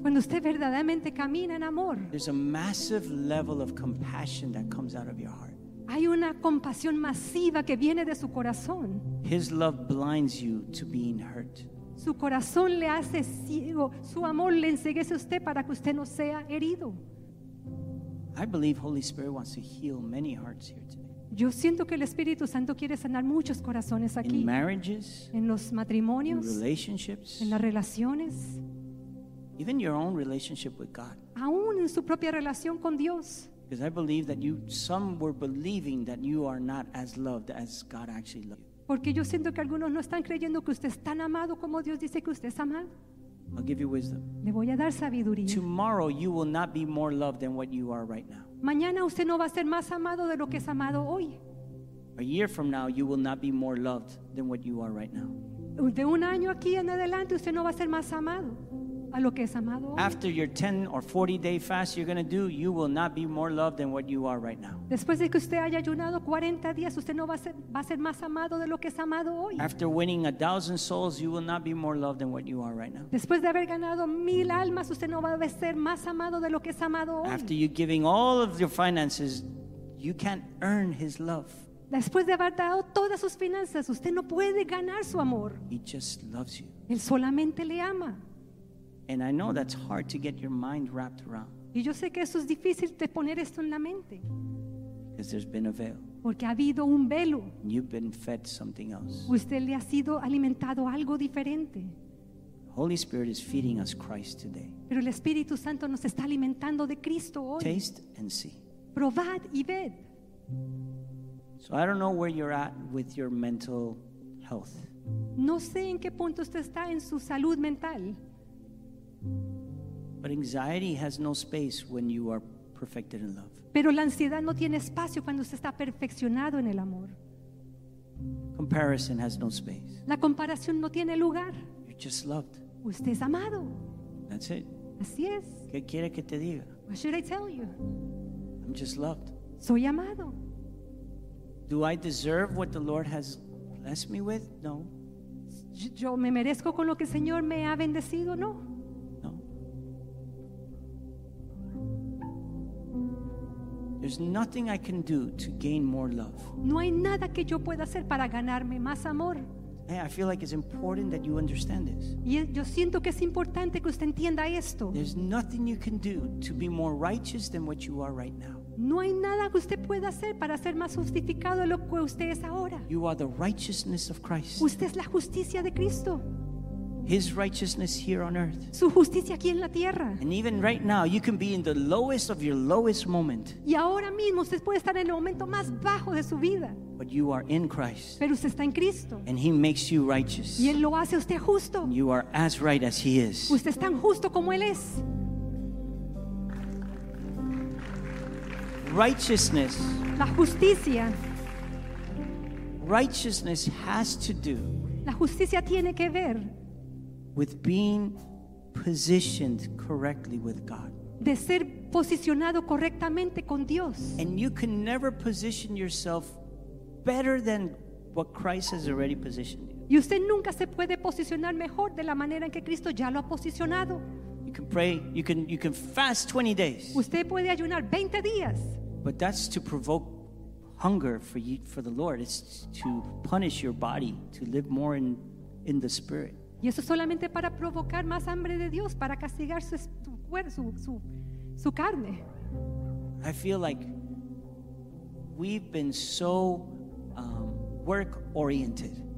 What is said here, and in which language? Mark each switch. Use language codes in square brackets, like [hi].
[es] cuando usted verdaderamente camina en amor, [en] there's a massive level of compassion that comes out of your heart. [es] Hay una compasión masiva que viene de su corazón. [en] His love blinds you to being hurt. [es] Su corazón le hace ciego. Su amor le enceguece a usted para que usted no sea herido. [en] I believe Holy Spirit wants to heal many hearts here today. [es] Yo siento que el Espíritu Santo quiere sanar muchos corazones aquí. [en] In marriages, [es] en los matrimonios, [en] in relationships, [es] en las relaciones, [en] even your own relationship with God, [es] aún en su propia relación con Dios. [en] Because I believe that you, some were believing that you are not as loved as God actually loves you. [es] Porque yo siento que algunos no están creyendo que usted es tan amado como Dios dice que usted es amado. [en] I'll give you wisdom. [es] Le voy a dar sabiduría. [en] Tomorrow you will not be more loved than what you are right now. [es] Mañana usted no va a ser más amado de lo que es amado hoy. [en] A year from now you will not be more loved than what you are right now. [es] De un año aquí en adelante usted no va a ser más amado a lo que es amado hoy. [en] After your 10 or 40 day fast you're going to do, you will not be more loved than what you are right now. [es] Después de que usted haya ayunado 40 días, usted no va a ser más amado de lo que es amado hoy. [en] After winning 1,000 souls, you will not be more loved than what you are right now. [es] Después de haber ganado 1,000 almas, usted no va a ser más amado de lo que es amado hoy. [en] After you giving all of your finances, you can't earn his love. [es] Después de haber dado todas sus finanzas, usted no puede ganar su amor. [en] He just loves you. [es] Él solamente le ama. [en] And I know that's hard to get your mind wrapped around. [es] Y yo sé que eso es difícil de poner esto en la mente. [en] Because there's been a veil. [es] Porque ha habido un velo. [en] You've been fed something else. [es] Usted le ha sido alimentado algo diferente. [en] The Holy Spirit is feeding us Christ today. [es] Pero el Espíritu Santo nos está alimentando de Cristo hoy. [en] Taste and see. [es] Probad y ved. [en] So I don't know where you're at with your mental health. [es] No sé en qué punto usted está en su salud mental. [en] But anxiety has no space when you are perfected in love. [es] Pero la ansiedad no tiene espacio cuando usted está perfeccionado en el amor. [en] Comparison has no space. [es] La comparación no tiene lugar. [en] You're just loved. [es] Usted es amado. [en] That's it. [es] Así es. ¿Qué quiere que te diga? [en] What should I tell you? I'm just loved. [es] Soy amado. [en] Do I deserve what the Lord has blessed me with? No. [es] Yo me merezco con lo que el Señor me ha bendecido, ¿no? No. [en] There's nothing I can do to gain more love. [es] No hay nada que yo pueda hacer para ganarme más amor. [en] Hey, I feel like it's important that you understand this. [es] Y yo siento que es importante que usted entienda esto. [en] There's nothing you can do to be more righteous than what you are right now. [es] No hay nada que usted pueda hacer para ser más justificado de lo que usted es ahora. [en] You are the righteousness of Christ. [es] Usted es la justicia de Cristo. [en] His righteousness here on earth. [es] Su justicia aquí en la tierra. [en] And even right now, you can be in the lowest of your lowest moment. [es] Y ahora mismo usted puede estar en el momento más bajo de su vida. [en] But you are in Christ. [es] Pero usted está en Cristo. [en] And He makes you righteous. [es] Y Él lo hace usted justo. [en] And you are as right as He is. [es] Usted es tan justo como Él es. [en] Righteousness. [es] La justicia. [en] Righteousness has to do. [es] La justicia tiene que ver. [en] With being positioned correctly with God. [es] De ser posicionado correctamente con Dios. [en] And you can never position yourself better than what Christ has already positioned you. [es] Y usted nunca se puede posicionar mejor de la manera en que Cristo ya lo ha posicionado. [en] You can pray, you can fast 20 days. [es] Usted puede ayunar 20 días. [en] But that's to provoke hunger for you, for the Lord. It's to punish your body to live more in the spirit. [es] Y eso solamente para provocar más hambre de Dios, para castigar su carne. [en] I feel like we've been so work oriented.